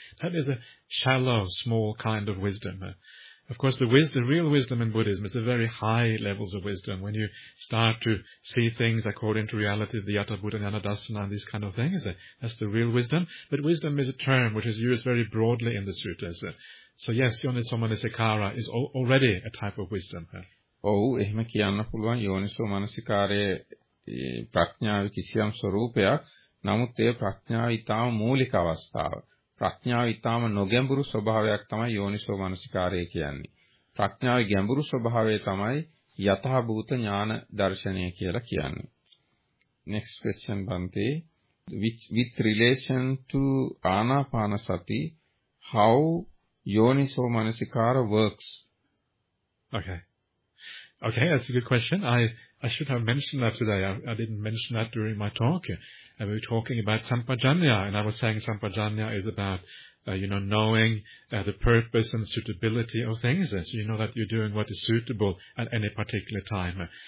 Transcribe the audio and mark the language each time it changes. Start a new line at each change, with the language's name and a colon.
English: That is a shallow, small kind of wisdom. Of course, the real wisdom in Buddhism is the very high levels of wisdom. When you start to see things according to reality, the Yata Buddha, Jnana Dasana, these kind of things, that's the real wisdom. But wisdom is a term which is used very broadly in the suttas. So yes, Yoniso Manasikara is already a type of wisdom.
Sinhala: ඔව් එහෙම කියන්න පුළුවන් යෝනිසෝ මනසිකාරයේ ප්‍රඥාවේ කිසියම් ස්වરૂපයක් නමුත් ඒ ප්‍රඥාව ඊටාම මූලික අවස්ථාව ප්‍රඥාව ඊටාම නොගැඹුරු ස්වභාවයක් තමයි යෝනිසෝ මනසිකාරය කියන්නේ ප්‍රඥාවේ ගැඹුරු ස්වභාවය තමයි යථා භූත ඥාන දර්ශනය කියලා කියන්නේ
English: next question bante with relation to anapana sati how yoniso manasikara works Okay, that's a good question. I should have mentioned that today. I didn't mention that during my talk. And we were talking about sampajanya, and I was saying sampajanya is about knowing the purpose and suitability of things. So you know that you're doing what is suitable at any particular time.